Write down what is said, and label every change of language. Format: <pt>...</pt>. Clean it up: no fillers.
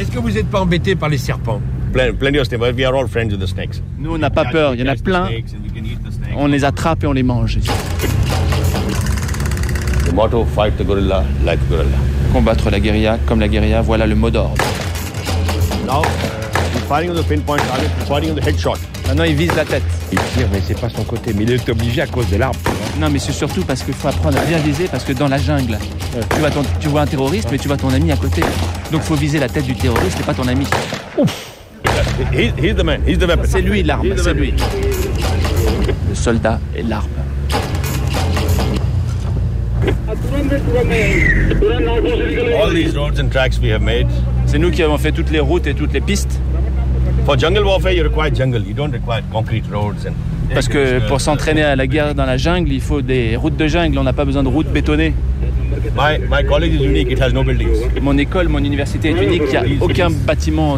<fr>Est-ce que vous n'êtes pas embêté par les serpents?</fr> <en>Plenty of snakes. We are all friends with the snakes.</en> <fr>Nous, on n'a pas peur. Il y en a plein. On les attrape et on les mange.</fr> <en>The motto, fight the gorilla like a gorilla.</en> <fr>Combattre la guérilla comme la guérilla, voilà le mot d'ordre.</fr> <en>Now, he's firing on the pinpoint target, fighting on the headshot.</en> <fr>Maintenant, il vise la tête. Il tire, mais c'est pas son côté. Mais il est obligé à cause de l'arbre. Non, mais c'est surtout parce qu'il faut apprendre à bien viser, parce que dans la jungle, tu vois un terroriste, mais tu vois ton ami à côté. Donc, faut viser la tête du terroriste, et pas ton ami. Ouf.</fr> <en>He's the man. He's the weapon.</en> <fr>C'est lui l'arme. C'est lui. Le soldat est l'arme.</fr> <en>All these roads and tracks we have made.</en> <fr>C'est nous qui avons fait toutes les routes et toutes les pistes.</fr> <en>For jungle warfare, you require jungle. You don't require concrete roads and.</en> <fr>Parce que pour s'entraîner à la guerre dans la jungle, il faut des routes de jungle. On n'a pas besoin de routes bétonnées.</fr> <en>My college is unique. It has no buildings.</en> <fr>Mon école, mon université est unique. Il n'y a aucun bâtiment.</fr>